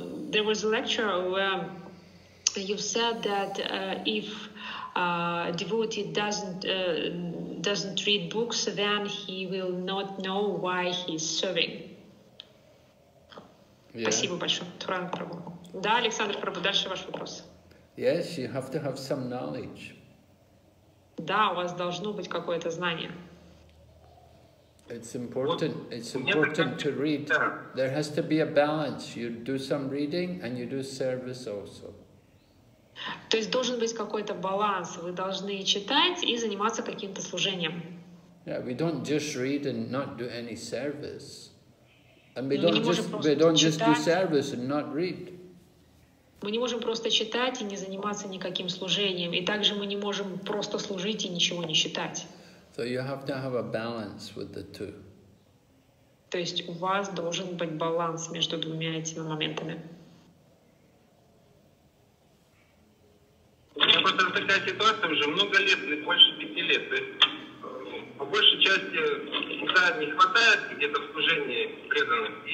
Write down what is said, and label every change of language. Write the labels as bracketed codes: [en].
[en] There was a lecture where you said that if a devotee doesn't read books, then he will not know why he's serving. [ru] Спасибо большое, Туранг Прабу. Да, Александр Прабу, дальше ваш вопрос. [en] Yes, you have to have some knowledge. [ru] Да, у вас должно быть какое-то знание. [en] It's important to read. There has to be a balance. You do some reading and you do service also. [ru] То есть должен быть какой-то баланс. Вы должны читать и заниматься каким-то служением. [en] Yeah, we don't just read and not do any service. And we don't just do service and not read. [ru] Мы не можем просто читать и не заниматься никаким служением. И также мы не можем просто служить и ничего не читать. [en] So you have to have a balance with the two. [ru] То есть у вас должен быть баланс между двумя этими моментами. У меня просто такая ситуация уже много лет, больше 5 лет. То есть, по большей части, да, не хватает где-то в служении преданных.